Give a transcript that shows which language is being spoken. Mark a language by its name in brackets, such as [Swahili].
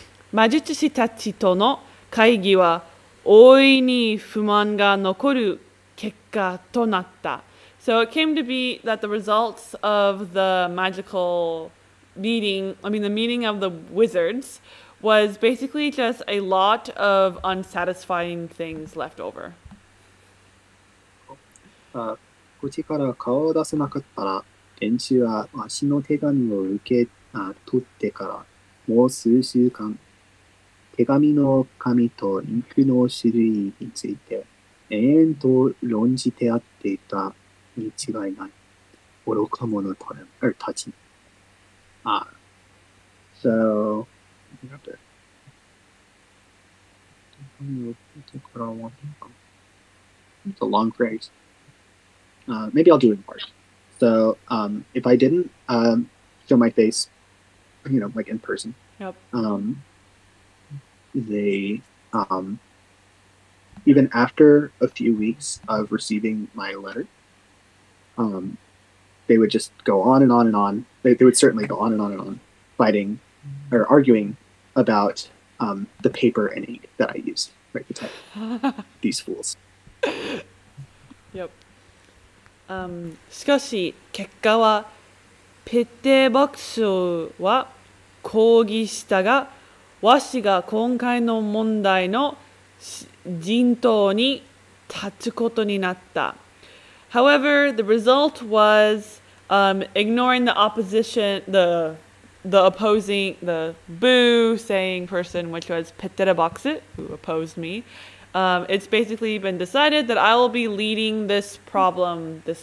[Japanese] 魔術師たちとの会議は大いに不満が残る結果となった。 [English] So it came to be that the results of the magical meeting, I mean the meeting of the wizards, was basically just a lot of unsatisfying things left over. [Japanese] こっちから顔を出せなかったら、練習はわしの手紙を受け取ってからもう数週間、手紙の紙とインクの種類について延々と論じてあっていた。 [English] It's a long phrase. Maybe I'll do it in part. So if I didn't show my face, you know, like in person, they even after a few weeks of receiving my letter, they would just go on and on and on. They would certainly go on and on and on fighting or arguing about the paper and ink that I used, right? The type. These fools. Yep. [Japanese] しかし結果はペテボクスは抗議したが、わしが今回の問題の陣頭に立つことになった。 [English] However, the result was ignoring the opposition, the opposing, the boo saying person, which was Peteraboxit, who opposed me. It's basically been decided that I will be leading this problem.